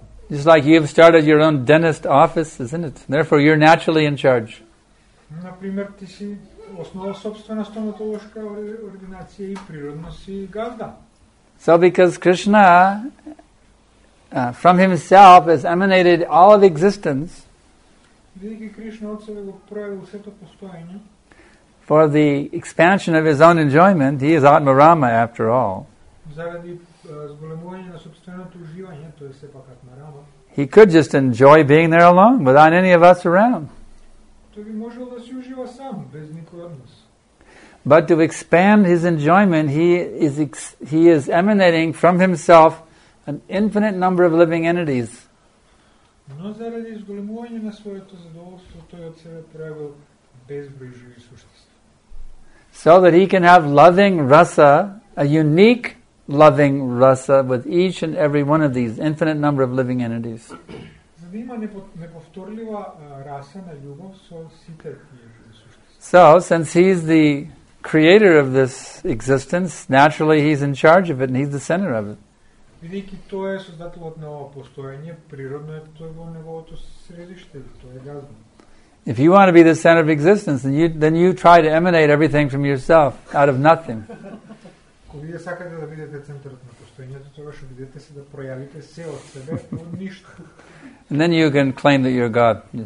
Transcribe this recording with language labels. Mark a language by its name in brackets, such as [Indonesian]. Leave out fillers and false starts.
[English] Just like you've started your own dentist office, isn't it? Therefore, you're naturally in charge. [Macedonian] Например, ти си основа собствена стоматолошка ординација и природно си газда. [English] So because Krishna from himself has emanated all of existence. [Macedonian] Бидејќи Кришна од себе го проявил сето постоење. [English] For the expansion of his own enjoyment, he is Atmarama after all. [Macedonian] Заради зголемување на собственото уживање, тој е сепак Атмарама. [English] He could just enjoy being there alone without any of us around. [Macedonian] Тој би можел да се ужива сам, без никој од нас. [English] But to expand his enjoyment, he is emanating from himself an infinite number of living entities. [Macedonian] Но заради изголемување на своето задоволство, тој од себе правил безброј живи суштества. [English] So that he can have loving rasa, a unique loving rasa with each and every one of these infinite number of living entities. [Macedonian] Има неповторлива раса на љубов со сите тие сушти. [English] So, since he's the creator of this existence, naturally he's in charge of it and he's the center of it. [Macedonian] Бидејќи тој е создателот на ова постоење, природно е тој во неговото средиште, тој е газда. [English] If you want to be the center of existence, then you try to emanate everything from yourself, out of nothing. [Macedonian] Кога вие сакате да бидете центарот на постоењето, тогаш обидете се да пројавите се од себе, од ништо. [English] And then you can claim that you're God.